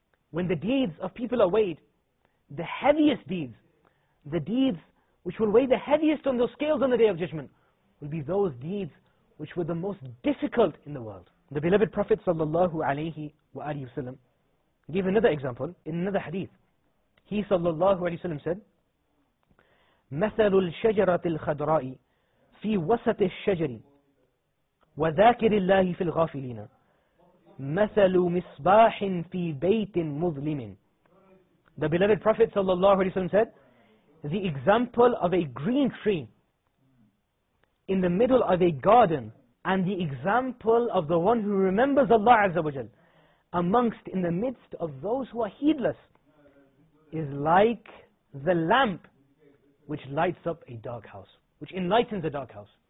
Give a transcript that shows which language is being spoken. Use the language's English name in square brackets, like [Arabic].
[English] When the deeds of people are weighed, the heaviest deeds, the deeds which will weigh the heaviest on those scales on the Day of Judgment, will be those deeds which were the most difficult in the world. The beloved Prophet sallallahu alayhi wa alayhi wa sallam gave another example in another hadith. He sallallahu alayhi wa sallam said, [Arabic] مَثَلُ الْشَجَرَةِ الْخَدْرَاءِ فِي وَسَطِ الشَّجَرِ وَذَاكِرِ اللَّهِ فِي الْغَافِلِينَ مَثَلُ مِصْبَاحٍ فِي بَيْتٍ مُظْلِمٍ. [English] The beloved Prophet sallallahu alayhi wa sallam said, the example of a green tree in the middle of a garden, and the example of the one who remembers Allah Azza wa Jal amongst, in the midst of those who are heedless, is like the lamp which lights up a dark house, which enlightens a dark house.